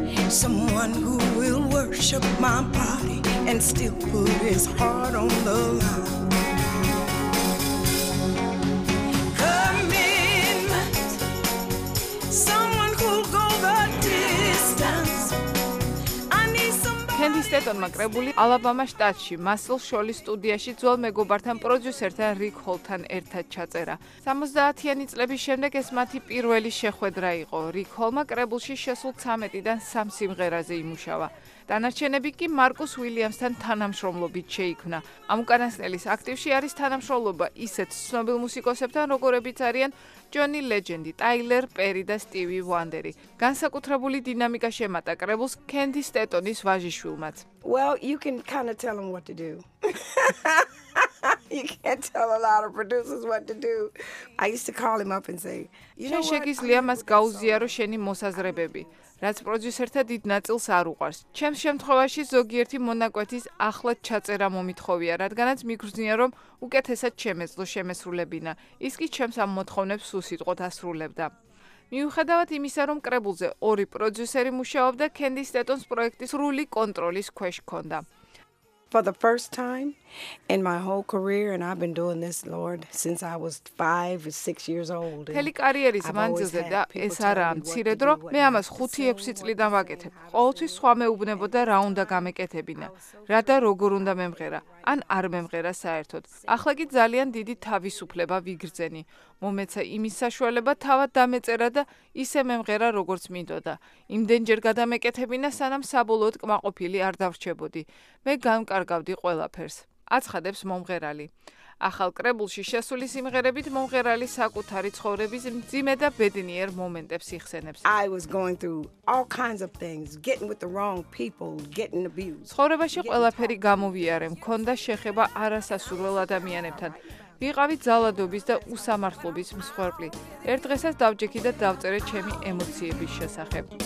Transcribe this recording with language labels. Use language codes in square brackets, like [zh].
[en] Someone who will worship my body and still put his heart on the line. Commitment. Someone who'll go the distance. I need somebody. [ka] Კენდი სტეტონმა კრებული ალაბამა შტატში, მასლ შოლის სტუდიაში ძველ მეგობართან პროდიუსერთან რიკ ჰოლთან ერთად ჩაწერა. 70-იანი წლების შემდეგ ეს მათი პირველი შეხვედრა იყო. რიკ ჰოლმა კრებულში შესულ 13-დან 3 სიმღერაზე იმუშავა. დანარჩენები კი მარკუს უილიამსთან თანამშრომლობით შეიქმნა. ამ უკანასკნელის აქტივში არის თანამშრომლობა ისეთ ცნობილ მუსიკოსებთან, როგორებიც არიან ჯონი ლეჯენდი, ტაილერ პერი და სტივი ვანდერი. განსაკუთრებული დინამიკა შემატა კრებულს კენდი სტეტონის ვაჟიშვილმაც. [en] Well, you can kind of tell him what to do. You can't tell a lot of producers what to do. I used to call him up and say, "You know, [ka] შეგიძლია მას გაუზიარო შენი მოსაზრებები." რაც პროდიუსერთა დიდ ნაწილს არ უყვარს. ჩემს შემთხვევაში ზოგიერთი მონაკვეთის ახლად ჩაწერა მომითხოვია, რადგანაც მიგრძნია, რომ უკეთესად შემეძლო შემესრულებინა. ის კი ჩემს ამ მოთხოვნებს უსიტყვოდ ასრულებდა. მიუხედავად იმისა, რომ კრებულზე ორი პროდიუსერი მუშაობდა, კენდი სტეტონს პროექტის სრული კონტროლის ქვეშ ჰქონდა. [en] For the first time in my whole career, and I've been doing this, Lord, since I was 5 or 6 years old. [ka] ჰელი კარიერის მანძილზე და ეს არაა მცირედ, რომ მე ამას 5-6 წლიდან ვაკეთებ. ყოველთვის სხვა მეუბნებოდა რა უნდა გამეკეთებინა, რა და როგორ უნდა მემღერა, ან არ მემღერა საერთოდ. ახლა კი ძალიან დიდი თავისუფლება ვიგრძენი. მომეცა იმის საშუალება თავად დამეწერა და ისე მემღერა, როგორც მინდოდა. იმდენჯერ გადამეკეთებინა, სანამ საბოლოოდ კმაყოფილი არ დავრჩებოდი. მე განკარგავდი ყველაფერს. აცხადებს მომღერალი. ახალ კრებულში შესული სიმღერებით მომღერალი საკუთარი ცხოვრების მძიმე და ბედნიერ მომენტებს იხსენებს. [en] I was going through all kinds of things, getting with the wrong people, getting abused. [ka] ცხოვრებაში ყველაფერი გამოვიარე, მქონდა შეხება არასასურველ ადამიანებთან. ვიყავი ძალადობის და უსამართლობის მსხვერპლი. ერთ დღესაც დავჯექი და დავწერე ჩემი ემოციების შესახებ.